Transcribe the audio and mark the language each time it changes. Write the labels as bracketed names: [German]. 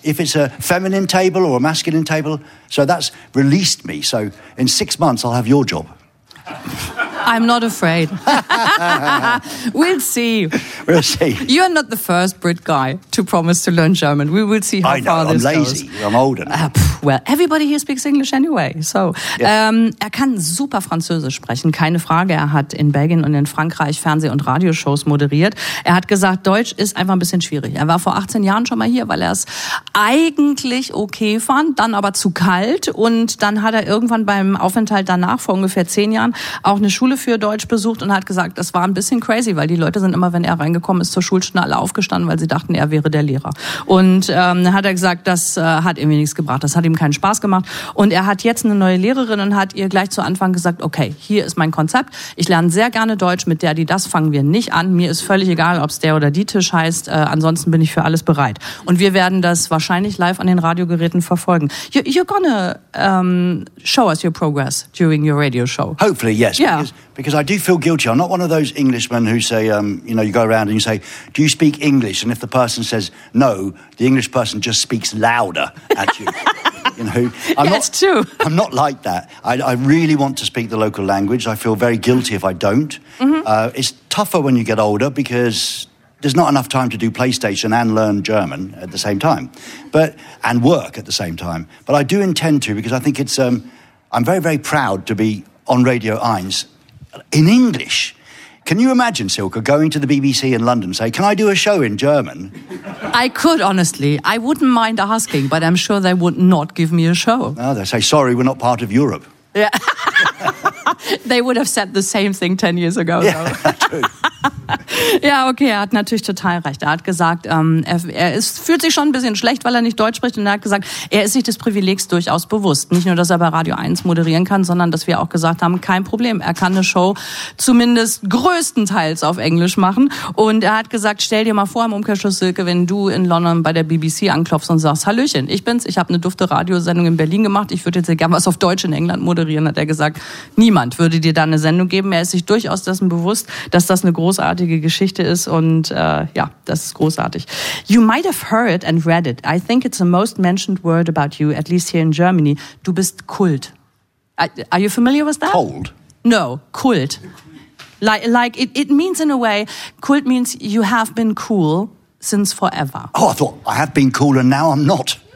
[English] If it's a feminine table or a masculine table, so that's released me. So in 6 months, I'll have your job. I'm not afraid. We'll see. We'll see. You are not the first Brit guy to promise to learn German. We will see how far this goes. I know, I'm lazy. I'm older. Well, everybody here speaks English anyway. [German] So, er kann super Französisch sprechen, keine Frage. Er hat in Belgien und in Frankreich Fernseh- und Radioshows moderiert. Er hat gesagt, Deutsch ist einfach ein bisschen schwierig. Er war vor 18 Jahren schon mal hier, weil er es eigentlich okay fand, dann aber zu kalt. Und dann hat er irgendwann beim Aufenthalt danach, vor ungefähr 10 Jahren, auch eine Schule für Deutsch besucht und hat gesagt, das war ein bisschen crazy, weil die Leute sind immer, wenn er reingekommen ist, zur Schulstunde alle aufgestanden, weil sie dachten, er wäre der Lehrer. Und hat er gesagt, das hat irgendwie nichts gebracht, das hat ihm keinen Spaß gemacht. Und er hat jetzt eine neue Lehrerin und hat ihr gleich zu Anfang gesagt, okay, hier ist mein Konzept, ich lerne sehr gerne Deutsch, mit der, die, das fangen wir nicht an. Mir ist völlig egal, ob es der oder die Tisch heißt, ansonsten bin ich für alles bereit. Und wir werden das wahrscheinlich live an den Radiogeräten verfolgen. [English] You're gonna show us your progress during your radio show. Hopefully, yes. Yeah. Because I do feel guilty. I'm not one of those Englishmen who say, you know, you go around and you say, do you speak English? And if the person says no, the English person just speaks louder at you. You know, I'm not like that. I really want to speak the local language. I feel very guilty if I don't. Mm-hmm. It's tougher when you get older because there's not enough time to do PlayStation and learn German at the same time, and work at the same time. But I do intend to because I think it's, I'm very, very proud to be on Radio 1's. In English. Can you imagine, Silke, going to the BBC in London and say, can I do a show in German? I could, honestly. I wouldn't mind asking, but I'm sure they would not give me a show. No, they say, sorry, we're not part of Europe. Yeah. They would have said the same thing 10 years ago, yeah, though. True. [German] Ja, okay, er hat natürlich total recht. Er hat gesagt, fühlt sich schon ein bisschen schlecht, weil er nicht Deutsch spricht. Und er hat gesagt, er ist sich des Privilegs durchaus bewusst. Nicht nur, dass er bei Radio 1 moderieren kann, sondern dass wir auch gesagt haben, kein Problem. Er kann eine Show zumindest größtenteils auf Englisch machen. Und er hat gesagt, stell dir mal vor, im Umkehrschluss, Silke, wenn du in London bei der BBC anklopfst und sagst, Hallöchen, ich bin's, ich habe eine dufte Radiosendung in Berlin gemacht, ich würde jetzt hier gerne was auf Deutsch in England moderieren, hat er gesagt. Niemand würde dir da eine Sendung geben. Er ist sich durchaus dessen bewusst, dass das eine großartige Geschichte ist und ja, das ist großartig. [English] You might have heard and read it. I think it's the most mentioned word about you, at least here in Germany. [German] Du bist Kult. [English] Are you familiar with that? Cold. No, Kult. Like it means in a way, Kult means you have been cool since forever. Oh, I thought I have been cool and now I'm not.